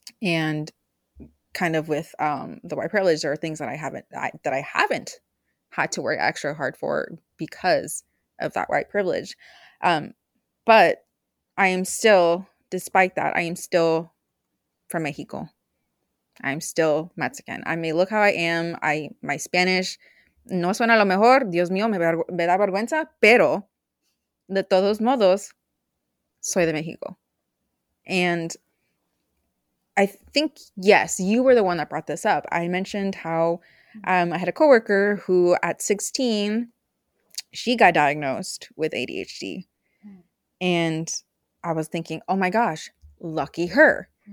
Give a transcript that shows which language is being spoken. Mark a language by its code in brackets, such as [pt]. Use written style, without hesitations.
[en] And kind of with the white privilege, there are things that I haven't had to work extra hard for because of that white privilege. But I am still, despite that, I am still from Mexico. I'm still Mexican. I may look how I am. My Spanish [es] no suena lo mejor. Dios mío, me da vergüenza. Pero de todos modos, soy de Mexico. [en] And I think, yes, you were the one that brought this up. I mentioned how I had a coworker who at 16, she got diagnosed with ADHD. And I was thinking, oh my gosh, lucky her.